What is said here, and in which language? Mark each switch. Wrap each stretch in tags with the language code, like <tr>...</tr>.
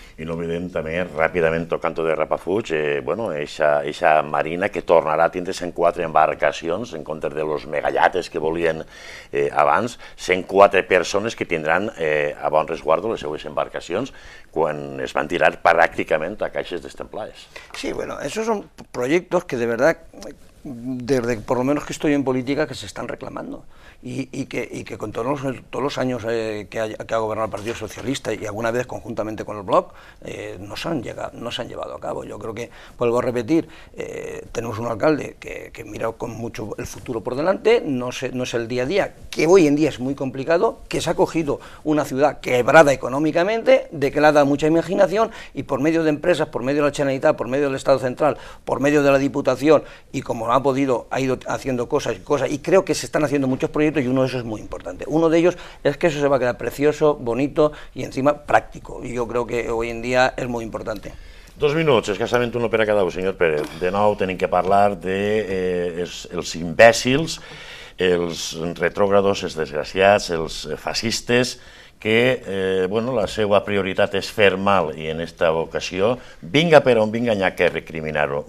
<ca>I no oblidem també, ràpidament, tocant-ho de Rapafuig, eixa marina que tornarà a tindre 104 embarcacions en comptes de los megallates que volien abans, 104 persones que tindran a bon resguardo les seues embarcacions quan es van tirar pràcticament a caixes destemplades.</ca> <es>Sí, bueno, esos son proyectos que de verdad, desde por lo menos que estoy en política, que se están reclamando. Y que con todos los años que ha gobernado el Partido Socialista y alguna vez conjuntamente con el Bloc, no se han llevado a cabo. Yo creo que, vuelvo a repetir, tenemos un alcalde que mira con mucho el futuro por delante, no es el día a día, que hoy en día es muy complicado, que se ha cogido una ciudad quebrada económicamente, de que le ha dado mucha imaginación, y por medio de empresas, por medio de la Generalitat, por medio del Estado Central, por medio de la Diputación, y como ha podido, ha ido haciendo cosas y cosas, y creo que se están haciendo muchos proyectos, y uno de esos es muy importante. Uno de ellos es que eso se va a quedar precioso, bonito y encima práctico. Y yo creo que hoy en día es muy importante.</es> <ca>Dos minuts, escassament un per a cada un, senyor Pérez. De nou, tenim que parlar dels imbècils, els retrógrados, els desgraciats, els fascistes, que la seva prioritat és fer mal, i en aquesta ocasió, vinga per on vinga, n'hi ha que recriminar-ho.</ca>